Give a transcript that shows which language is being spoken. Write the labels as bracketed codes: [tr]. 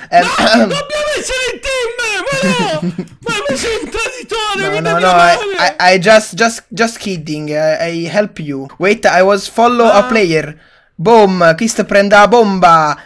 [it] Dobbiamo essere in team! Ma sei un traditore! [en] I just kidding, I help you. Wait, I was follow a player. [it] Boom, chi sta prende la bomba?